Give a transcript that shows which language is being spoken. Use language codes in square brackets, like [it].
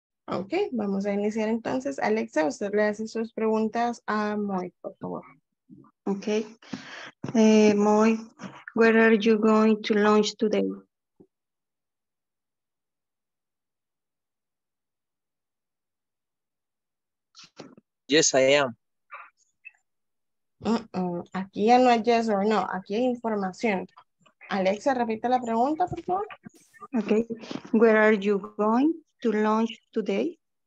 [es] Ok, vamos a iniciar entonces. Alexa, usted le hace sus preguntas a Moy, por favor. [en] Ok. Moy, where are you going to lunch today? Yes, I am. Uh-uh. [es] Aquí ya no hay [en] yes or no, [es] aquí hay información. Alexa, repita la pregunta, por favor. [en] Ok, where are you going to lunch today?